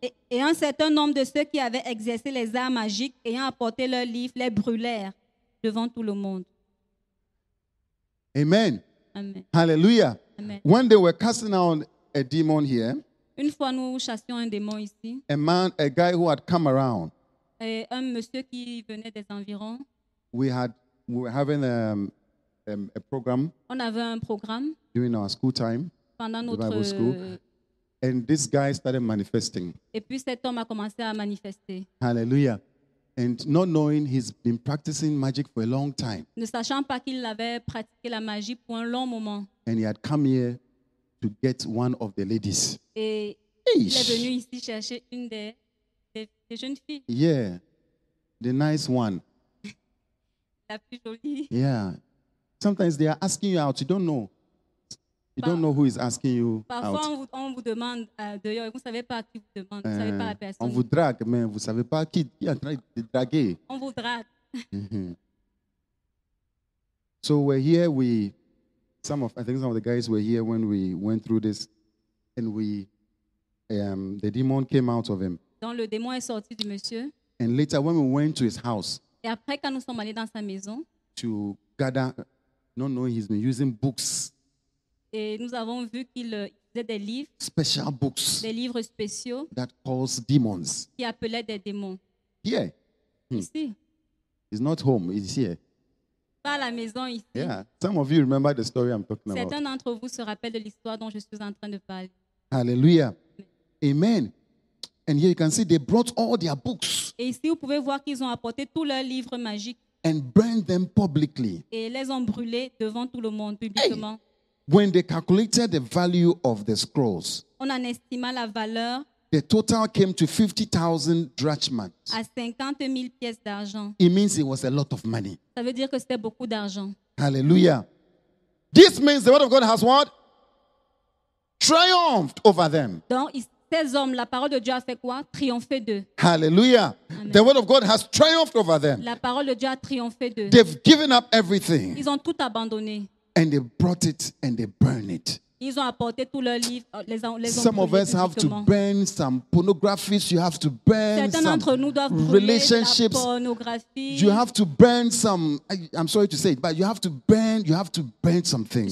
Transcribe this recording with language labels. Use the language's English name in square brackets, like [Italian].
[French] Et un certain nombre de ceux qui avaient exercé les arts magiques ayant apporté leurs livres les brûlèrent devant tout le monde. [English] Amen. Amen. Hallelujah. Amen. When they were casting out a demon here, [French] une fois nous chassions un démon ici, [English] a guy who had come around, [French] et un monsieur qui venait des environs, [English] we were having a program. [French] On avait un programme [English] during our school time. [French] Pendant notre Bible school, [English] and this guy started manifesting. [French] Et puis cet homme a commencé à manifester. [English] Hallelujah. And not knowing he's been practicing magic for a long time. [French] Ne sachant pas qu'il avait pratiqué la magie pour un long moment. [English] And he had come here to get one of the ladies. [French] Et Eesh. Il est venu ici chercher une des jeunes filles. [English] Yeah. The nice one. [French] La plus jolie. [English] Yeah. Sometimes they are asking you out, you don't know. You don't know who is asking you [French] parfois [English] out. [French] Parfois, on vous demande dehors et vous ne savez pas qui vous demande, vous ne savez pas la personne. On vous drague, mais vous ne savez pas qui est en train de draguer. On vous drague. [English] So we're here, some of the guys were here when we went through this, and the demon came out of him. [French] Donc le démon est sorti du monsieur. [English] And later, when we went to his house, [French] et après, quand nous sommes allés dans sa maison, [English] to gather, not knowing he's been using books, [French] et nous avons vu qu'il faisait des livres, [English] special books, [French] des livres spéciaux, [English] that calls demons, [French] qui appelaient des démons. [English] Here, [French] ici. [English] It's not home. It's here. [French] Pas à la maison ici. [English] Yeah, some of you remember the story I'm talking about. [French] Certains d'entre vous se rappellent de l'histoire dont je suis en train de parler. [English] Hallelujah. Amen. And here you can see they brought all their books. [French] Et ici vous pouvez voir qu'ils ont apporté tous leurs livres magiques. [English] And burned them publicly. [French] Et les ont brûlés devant tout le monde publiquement. Hey. [English] When they calculated the value of the scrolls, [French] on en estima la valeur, [English] the total came to 50,000 drachmas. [French] À 50 000 pièces d'argent. [English] It means it was a lot of money. [French] Ça veut dire que c'était beaucoup d'argent. [English] Hallelujah. This means the word of God has what? Triumphed over them. [French] Donc, ces hommes, la parole de Dieu a fait quoi? Triompher d'eux. [English] Hallelujah. Amen. The word of God has triumphed over them. [French] La parole de Dieu a triomphé d'eux. [English] They've given up everything. [French] Ils ont tout abandonné. [English] And they brought it and they burned it. [French] Ils ont apporté tous leurs livres, les [English] some of us have to burn some pornographies. You have to burn [French] certains [English] some relationships. You have to burn some, I'm sorry to say it, but you have to burn some things.